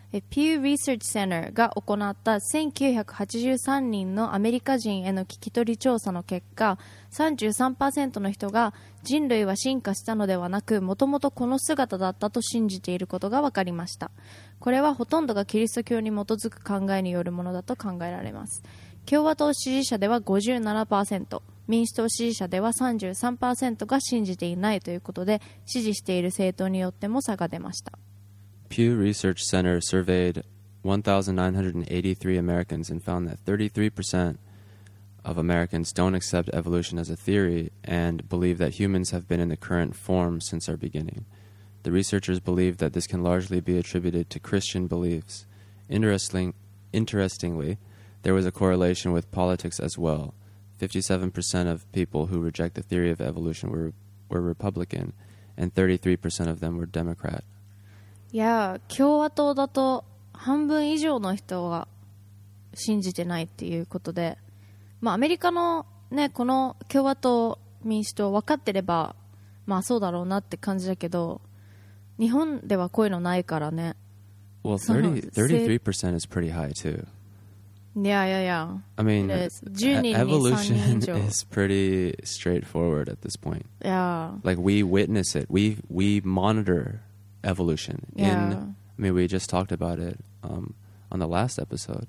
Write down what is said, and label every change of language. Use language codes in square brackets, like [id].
[ja] Pew Research Center が行った1983人のアメリカ人への聞き取り調査の結果、 33% の人が人類は進化したのではなく、もともとこの姿だったと信じていることが分かりました。これはほとんどがキリスト教に基づく考えによるものだと考えられます。共和党支持者では 57%、民主党支持者では 33% が信じていないということで、支持している政党によっても差が出ました。 [en] Pew Research Center surveyed 1,983 Americans and found that 33% of Americans don't accept evolution as a theory and believe that humans have been in the current form since our beginning. The researchers believe that this can largely be attributed to Christian beliefs. Interestingly, there was a correlation with politics as well. 57% of people who reject the theory of evolution were Republican, and 33% of them were Democrat. [ja] Yeah, 共和党だと半分以上の人は信じてないっていうことで、まあ、アメリカの、ね、この共和党民主党分かってれば、まあ、そうだろうなって感じだけど、日本ではこういうのないからね。 [en] Well, 33% is pretty high too. Yeah. I mean, evolution is pretty straightforward at this point. Yeah. Like, we witness it. We monitor evolution. Yeah. We just talked about it on the last episode,